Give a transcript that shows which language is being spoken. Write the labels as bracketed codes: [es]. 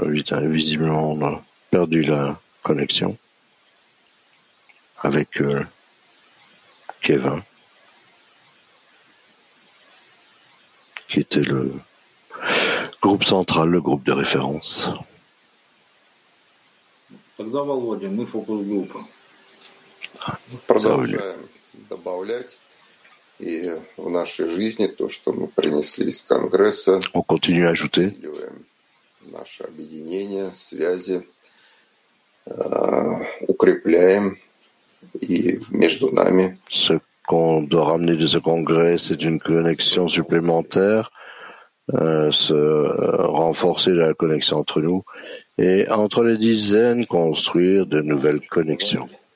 [fr] visiblement on a perdu la connexion avec Kevin, qui était le groupe central, le groupe de référence. [ru] Тогда Володя, мы фокус группа. Продолжаем добавлять и в нашей жизни то, что мы принесли из конгресса. [fr] On continue à ajouter. [ru] Наше объединение, связи, укрепляем и между нами. [fr] Ce qu'on doit ramener de ce congrès, c'est une connexion supplémentaire, renforcer la connexion entre nous et entre les dizaines, construire de nouvelles connexions.